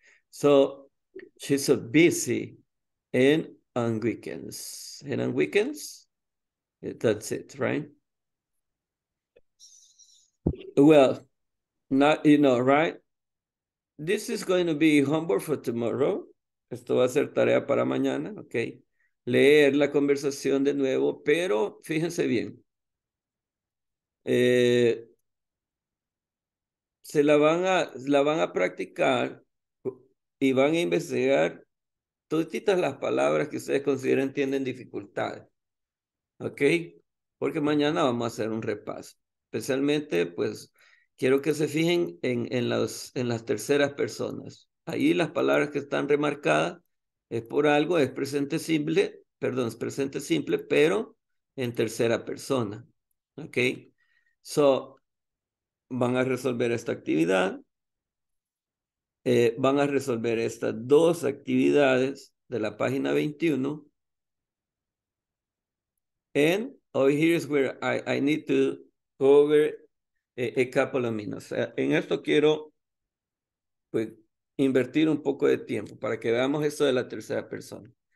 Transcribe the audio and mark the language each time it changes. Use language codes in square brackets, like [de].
[en] So she's so busy and on weekends. And on weekends? That's it, right? Well, right? This is going to be homework for tomorrow. [es] Esto va a ser tarea para mañana, okay? Leer la conversación de nuevo, pero fíjense bien. Se la van a practicar y van a investigar toditas las palabras que ustedes consideran tienen dificultad. ¿Ok? Porque mañana vamos a hacer un repaso. Especialmente, pues, quiero que se fijen en las terceras personas. Ahí las palabras que están remarcadas es por algo, es presente simple, pero en tercera persona. ¿Ok? So, van a resolver esta actividad. Van a resolver estas dos actividades de la página 21. [en] And oh, here is where I need to go over a couple of minutes. [es] En esto quiero pues, invertir un poco de tiempo para que veamos esto de la tercera persona.